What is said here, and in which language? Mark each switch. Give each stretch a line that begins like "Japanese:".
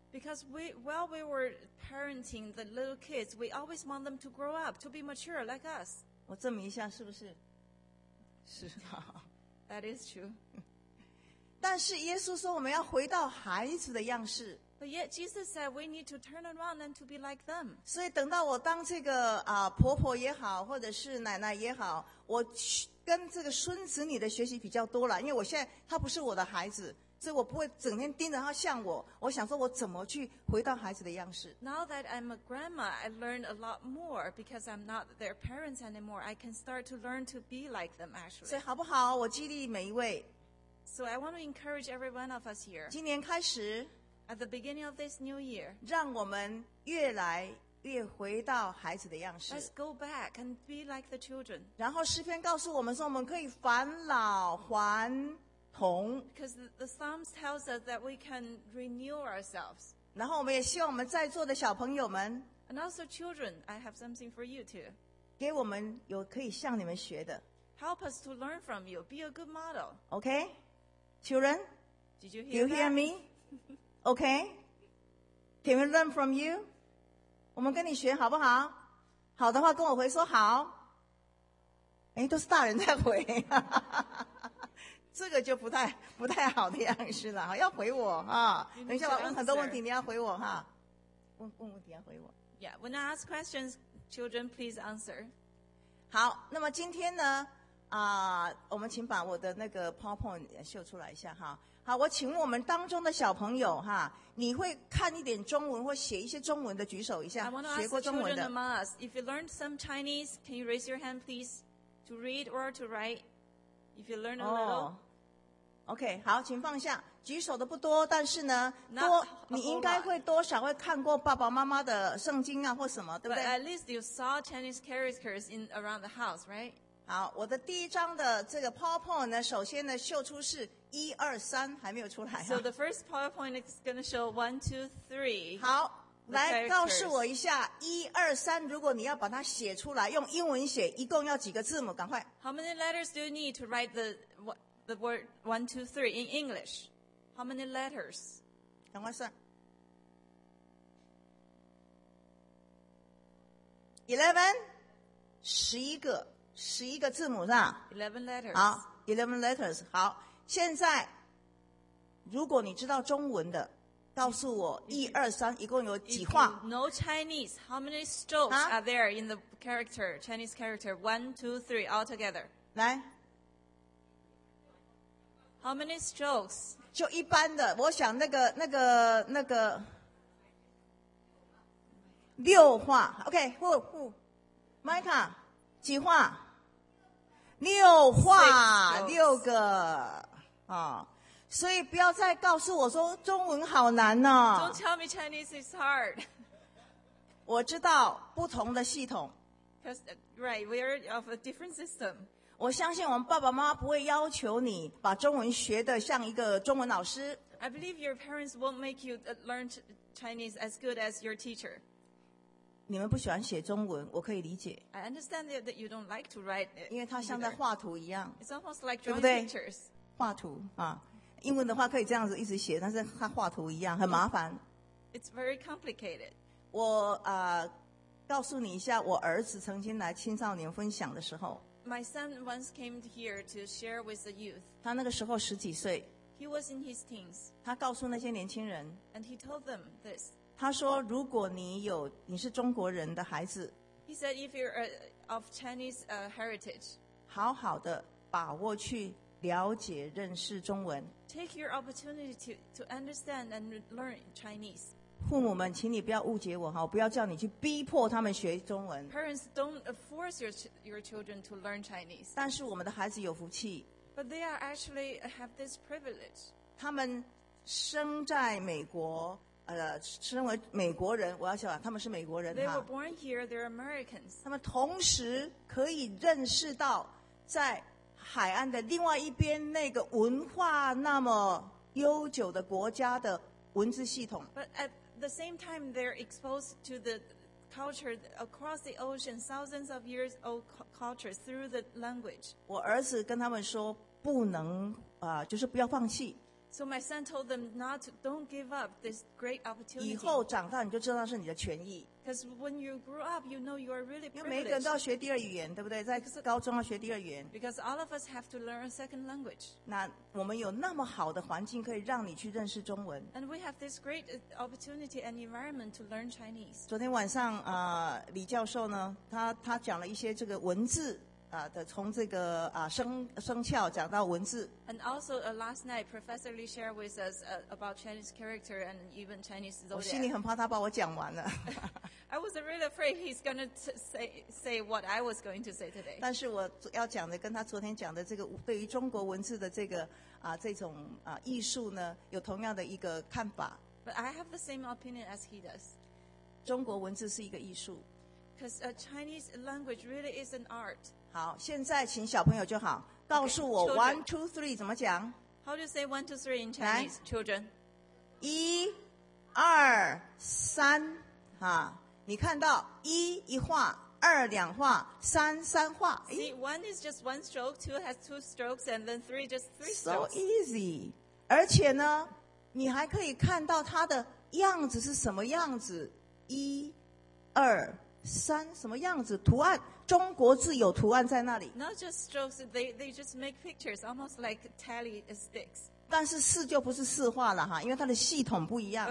English: Because while we were parenting the little kids, we always want them to grow up, to be mature like us.
Chinese: 我证明一下是不是？是啊。
English: That is true.
Chinese: 但是耶稣说我们要回到孩子的样式。
English: But yet Jesus said we need to turn around and to be like them.
Chinese: 所以等到我当这个婆婆也好，或者是奶奶也好，我跟这个孙子女的学习比较多了，因为我现在他不是我的孩子。所以我不会整天盯着他像我，我想说我怎么去回到孩子的样式。
English: Now that I'm a grandma, I learn a lot more because I'm not their parents anymore. I can start to learn to be like them actually.
Chinese: 所以好不好？我激励每一位。
English: So I want to encourage every one of us here.
Chinese: 今年开始
English: ，at the beginning of this new year,
Chinese: 让我们越来越回到孩子的样式。
English: Let's go back and be like the children.
Chinese: 然后诗篇告诉我们说，我们可以返老还。
English: Because the Psalms tells us that we can renew ourselves.
Chinese: 然后我们也希望我们在座的小朋友们
English: ，and also children, I have something for you too.
Chinese: 给我们有可以向你们学的
English: ，help us to learn from you. Be a good model. Okay, children, did you hear me? Okay, can we learn from you?
Chinese: 我们跟你学好不好？好的话跟我回说好。哎，都是大人在回。这个就不太好的样式了，要回我啊！等一下，我问很多问题，你要回我哈。问问题要回我。
English: Yeah, when I ask questions, children, please answer.
Chinese: 好，那么今天呢，我们请把我的那个 PowerPoint 秀出来一下哈。好，我请我们当中的小朋友哈，你会看一点中文或写一些中文的举手一下。学过中文的。
English: If you learned some Chinese, can you raise your hand, please, to read or to write? If you learn a little,
Chinese: OK, 好，请放下。举手的不多，但是呢，多你应该会多少会看过爸爸妈妈的圣经啊，或什么，对不对
English: ？But at least you saw Chinese characters in around the house, right?
Chinese: 好，我的第一张的这个 PowerPoint 呢，首先呢秀出是一二三，还没有出来、啊。
English: So the first PowerPoint is going to show 1, 2, 3.
Chinese: 好，来告诉我一下，一二三，如果你要把它写出来，用英文写，一共要几个字母？赶快。
English: How many letters do you need to write the word 1, 2, 3 in English? How many letters?
Chinese: 赶快算。 11, 11个字母是吧
English: ？11 letters. 好 ，11 letters.
Chinese: 好，现在如果你知道中文的。告诉我一二三一共有几画
English: ？No Chinese. How many strokes are there in the character Chinese character? 1, 2, 3 all together.
Chinese: 来
English: ，How many strokes?
Chinese: 就一般的，我想那个六画。 OK， 呼 ，Mika， 几画？六画，六个啊。所以不要再告诉我说中文好难呢、哦。
English: Don't tell me Chinese is hard.
Chinese: 我知道不同的系统。
English: Because, right, we are of a different system.
Chinese: 我相信我们爸爸妈妈不会要求你把中文学得像一个中文老师。
English: I believe your parents won't make you learn Chinese as good as your teacher.
Chinese: 你们不喜欢写中文，我可以理解。
English: I understand that you don't like to write it.
Chinese: 因为它像在画图一样。
English: It's almost like drawing pictures.
Chinese: 对不对？画图啊。英文的话可以这样子一直写，但是它画图一样很麻烦。
English: It's very complicated.
Chinese: 我告诉你一下，我儿子曾经来青少年分享的时候。
English: My son once came here to share with the youth.
Chinese: 他那个时候十几岁。
English: He was in his teens.
Chinese: 他告诉那些年轻人。
English: And he told them this.
Chinese: 他说，如果你是中国人的孩子。
English: He said if you're of Chinese heritage.
Chinese: 好好的把握去了解认识中文。
English: Take your opportunity to understand and learn Chinese.
Chinese: 父母们，请你不要误解我哈，我不要叫你去逼迫他们学中文。
English: Parents don't force your children to learn Chinese.
Chinese: 但是我们的孩子有福气。
English: But they are actually have this privilege.
Chinese: 他们生在美国，身为美国人，我要讲他们是美国人。
English: They were born here. They're Americans.
Chinese: 他们同时可以认识到在。海岸的另外一边那个文化那么悠久的国家的文字系统。
English: But at the same time, they're exposed to the culture across the ocean, thousands of years old culture through the language.
Chinese: 我儿子跟他们说不能就是不要放弃。
English: So my son told them don't give up this great opportunity.
Chinese: 以后长大你就知道是你的权益。
English: Because when you grew up, you know you are really privileged.
Chinese: 因为每个人都要学第二语言，对不对？在高中要学第二语言。
English: Because all of us have to learn a second language.
Chinese: 那我们有那么好的环境可以让你去认识中文。
English: And we have this great opportunity and environment to learn Chinese.
Chinese: 昨天晚上李教授呢，他讲了一些这个文字的，从这个生肖讲到文字。
English: And also last night, Professor Li shared with us about Chinese character and even Chinese zodiac.
Chinese: 我心里很怕他把我讲完了。
English: I was really afraid he's going to say what I was going to say today.
Chinese: 但是我要讲的跟他昨天讲的这个对于中国文字的这个这种艺术呢，有同样的一个看法。
English: But I have the same opinion as he does.
Chinese: 中国文字是一个艺术。
English: Because a Chinese language really is an art.
Chinese: 好，现在请小朋友就好，告诉我
English: one two three
Chinese: 怎么讲
English: ？How do you say one two three in Chinese, children?
Chinese: 一、二、三，哈，你看到一画，二两画，三画。
English: See, one is just one stroke, two has two strokes, and then three just three strokes. So easy.
Chinese: 而且呢，你还可以看到它的样子是什么样子，一、二、山什么样子图案，中国字有图案在那里。
English: Not just strokes, they just make pictures, almost like tally sticks.
Chinese: 但是四就不是四画了哈，因为它的系统不一样。